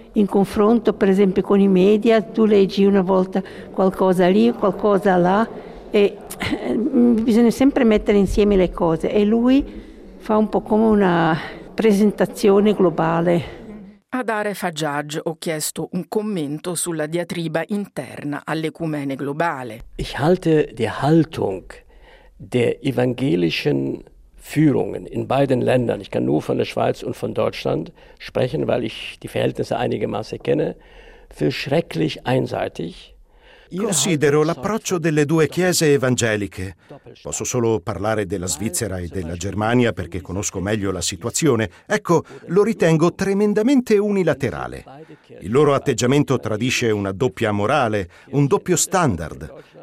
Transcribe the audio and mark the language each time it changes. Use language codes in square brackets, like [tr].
[it] In confronto, per esempio, con i media, tu leggi una volta qualcosa lì, qualcosa là, e bisogna sempre mettere insieme le cose. E lui fa un po' come una presentazione globale. Ad Aref Hajjaj ho chiesto un commento sulla diatriba interna all'ecumene globale. [de] Ich halte die Haltung der evangelischen Führungen in beiden Ländern, ich kann nur von der Schweiz und von Deutschland sprechen, weil ich die Verhältnisse einigermaßen kenne, für schrecklich einseitig. [it] Considero l'approccio delle due chiese evangeliche. Posso solo parlare della Svizzera e della Germania perché conosco meglio la situazione. Ecco, lo ritengo tremendamente unilaterale. Il loro atteggiamento tradisce una doppia morale, un doppio standard.